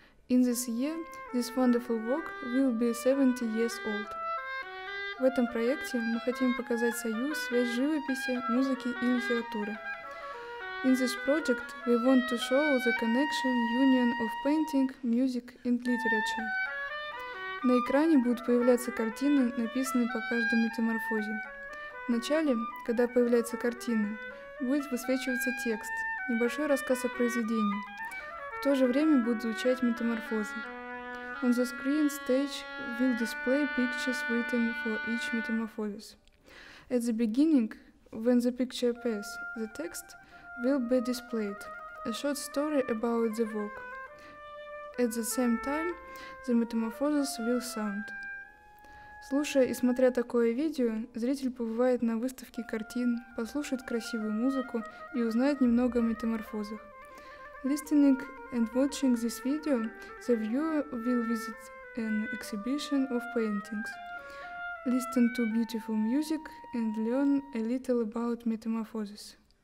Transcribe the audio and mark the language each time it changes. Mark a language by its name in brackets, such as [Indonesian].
[English] In this year, this wonderful work will be 70 years old. [Russian] В этом проекте мы хотим показать союз, связь живописи, музыки и литературы. [English] In this project, we want to show the connection, union of painting, music and literature. [Russian] На экране будут появляться картины, написанные по каждой метаморфозе. Вначале, когда появляются картины, будет высвечиваться текст, небольшой рассказ о произведении. В то же время будут звучать метаморфозы. [English] On the screen stage will display pictures written for each metamorphosis. At the beginning, when the picture appears, the text will be displayed, a short story about the work. At the same time, the metamorphosis will sound. [Russian] Слушая и смотря такое видео, зритель побывает на выставке картин, послушает красивую музыку и узнает немного о метаморфозах. [English] Listening and watching this video, the viewer will visit an exhibition of paintings, listen to beautiful music and learn a little about metamorphosis.